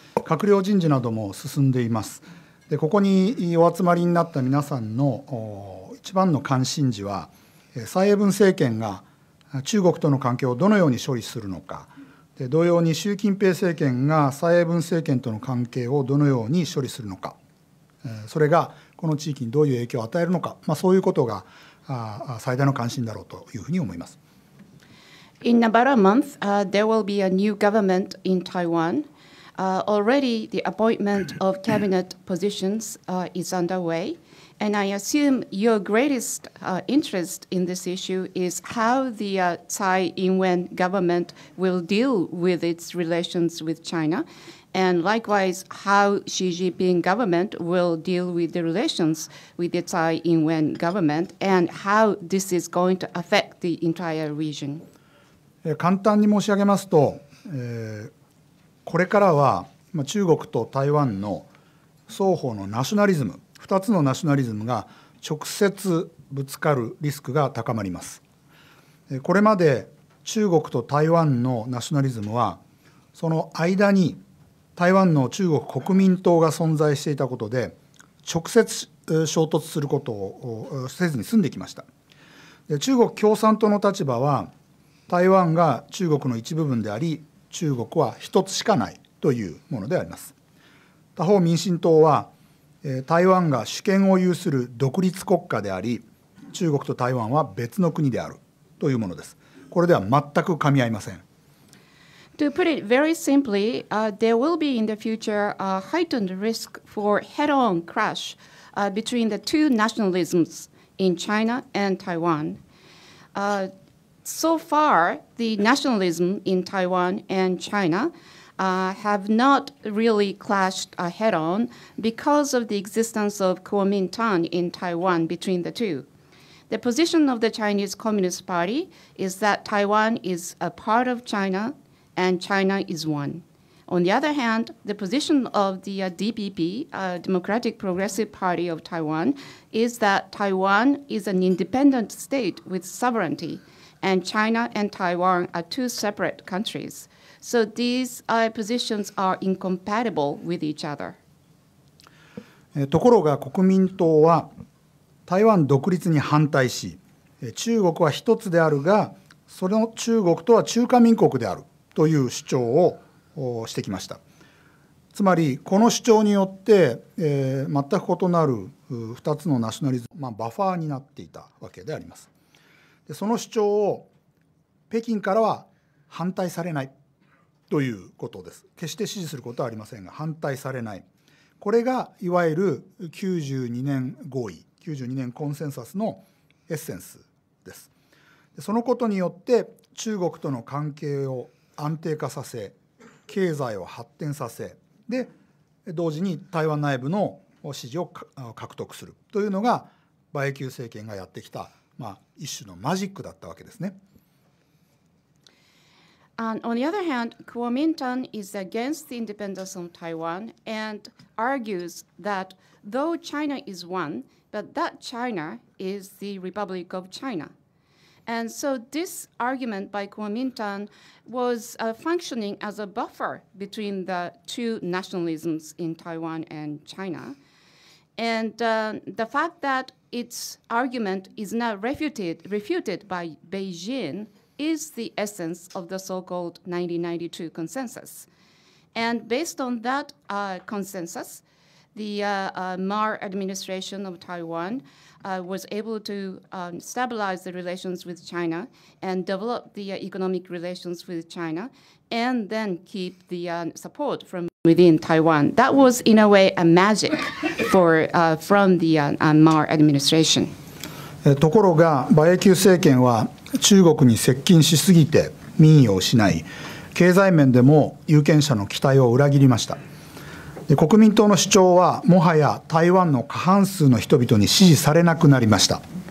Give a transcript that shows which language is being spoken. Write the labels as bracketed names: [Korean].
[Japanese] 閣僚人事なども進んでいます。で、ここにお集まりになった皆さんの一番の関心事は、蔡英文政権が中国との関係をどのように処理するのか、で、同様に習近平政権が蔡英文政権との関係をどのように処理するのか、それがこの地域にどういう影響を与えるのか、そういうことが最大の関心だろうというふうに思います。 [English] In about a month, there will be a new government in Taiwan. Already, the appointment of cabinet positions is underway. And I assume your greatest interest in this issue is how the Tsai Ing-wen government will deal with its relations with China, and likewise, how Xi Jinping government will deal with the relations with the Tsai Ing-wen government, and how this is going to affect the entire region. [Japanese] 簡単に申し上げますと、これからは中国と台湾の双方のナショナリズム、2つのナショナリズムが直接ぶつかるリスクが高まります。これまで中国と台湾のナショナリズムは、その間に台湾の中国国民党が存在していたことで、直接衝突することをせずに済んできました。で、中国共産党の立場は、台湾が中国の一部分であり、中国は一つしかないというものであります。他方、民進党は、台湾が主権を有する独立国家であり、中国と台湾は別の国であるというものです。これでは全く噛み合いません。 [English] To put it very simply, there will be in the future a heightened risk for head-on clash between the two nationalisms in China and Taiwan. So far, the nationalism in Taiwan and China have not really clashed head-on because of the existence of Kuomintang in Taiwan between the two. The position of the Chinese Communist Party is that Taiwan is a part of China and China is one. On the other hand, the position of the DPP, Democratic Progressive Party of Taiwan, is that Taiwan is an independent state with sovereignty, and China and Taiwan are two separate countries. So these positions are incompatible with each other. [Japanese] ところが国民党は台湾独立に反対し、中国は一つであるが、その中国とは中華民国であるという主張をしてきました。つまりこの主張によって、全く異なる2つのナショナリズム、バファーになっていたわけであります。でその主張を北京からは反対されないということです。決して支持することはありませんが反対されない、これがいわゆる92年コンセンサスのエッセンスです。でそのことによって中国との関係を安定化させ、経済を発展させ、で同時に台湾内部の支持を獲得するというのが馬英九政権がやってきた、一種のマジックだったわけですね。 [English] And on the other hand, Kuomintang is against the independence of Taiwan and argues that though China is one, but that China is the Republic of China. And so this argument by Kuomintang was functioning as a buffer between the two nationalisms in Taiwan and China. And the fact that its argument is now refuted by Beijing is the essence of the so-called 1992 consensus. And based on that consensus, the Ma administration of Taiwan was able to stabilize the relations with China and develop the economic relations with China and then keep the support from within Taiwan. That was, in a way, a magic from the Ma administration. [Japanese] ところが馬英九政権は中国に接近しすぎて民意を失い、経済面でも有権者の期待を裏切りました。で国民党の主張はもはや台湾の過半数の人々に支持されなくなりました。